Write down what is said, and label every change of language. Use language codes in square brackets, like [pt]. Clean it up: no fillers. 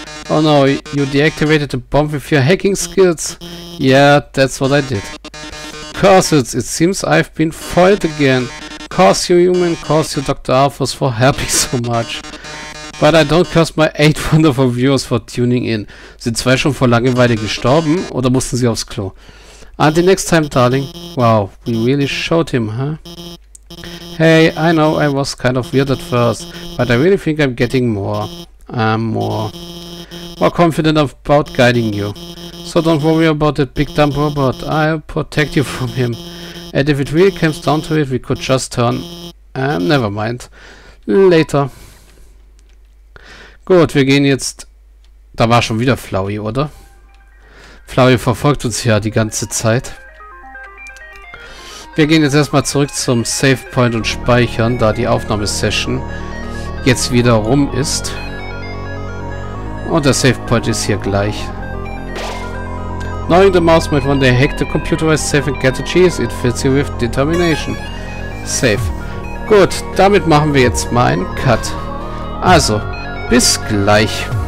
[en] Oh no, you deactivated the bomb with your hacking skills. Yeah, that's what I did. Curses, it seems I've been foiled again. Curse you, human, curse you, Dr. Alphys, for helping so much. But I don't curse my 8 wonderful viewers for tuning in. [de] Sind 2 schon vor Langeweile gestorben oder mussten sie aufs Klo? [en] Until next time, darling. Wow, we really showed him, huh? Hey, I know I was kind of weird at first, but I really think I'm getting more confident about guiding you. So don't worry about that big dumb robot. I'll protect you from him. And if it really comes down to it, we could just turn... never mind. Later. [de] Gut, wir gehen jetzt... Da war schon wieder Flowey, oder? Flowey verfolgt uns ja die ganze Zeit. Wir gehen jetzt erstmal zurück zum Save Point und speichern, da die Aufnahmesession jetzt wieder rum ist. Und der Save Point ist hier gleich. [en] Knowing the mouse might one day hack the computerized safe and get the cheese, it fills you with determination. Safe. [de] Gut, damit machen wir jetzt mal einen Cut. Also, bis gleich.